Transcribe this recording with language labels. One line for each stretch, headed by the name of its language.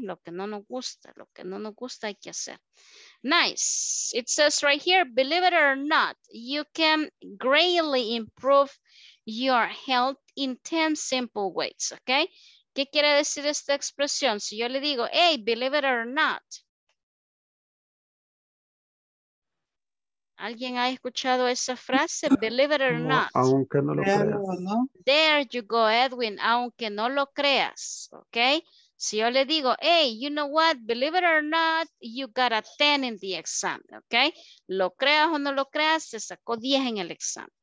Spanish: Lo que no nos gusta hay que hacer.
English: Nice, it says right here, believe it or not, you can greatly improve your health in 10 simple ways, okay?
Spanish: ¿Qué quiere decir esta expresión? Si yo le digo, hey,
English: believe it or not.
Spanish: ¿Alguien ha escuchado esa frase?
English: Believe it or not.
Spanish: Aunque no lo creas.
English: There you go,
Spanish: Edwin. Aunque no lo creas. ¿Ok? Si yo le digo, hey,
English: you know what? Believe it or not, you got a 10 in the exam.
Spanish: ¿Ok? Lo creas o no lo creas, se sacó 10 en el examen.